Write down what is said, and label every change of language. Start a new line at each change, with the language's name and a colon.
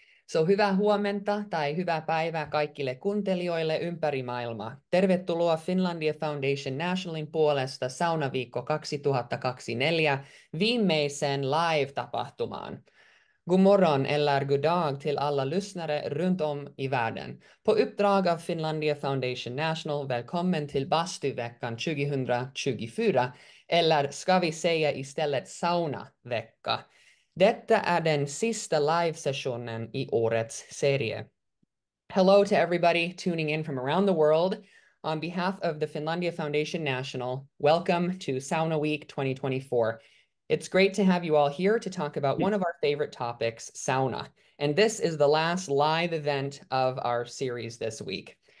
Finnish: So, hyvää huomenta tai hyvää päivää kaikille kuuntelijoille ympäri maailmaa. Tervetuloa Finlandia Foundation Nationalin puolesta Saunaviikko 2024 viimeiseen live-tapahtumaan.
Swedish: God morgon eller god dag till alla lyssnare runt om i världen. På uppdrag av Finlandia Foundation National, välkommen till Bastuveckan 2024, eller ska vi säga istället Saunavecka. Detta är den sista live-sessionen i årets serie.
English: Hello to everybody tuning in from around the world. On behalf of the Finlandia Foundation National, welcome to Sauna Week 2024. It's great to have you all here to talk about one of our favorite topics, sauna. And this is the last live event of our series this week.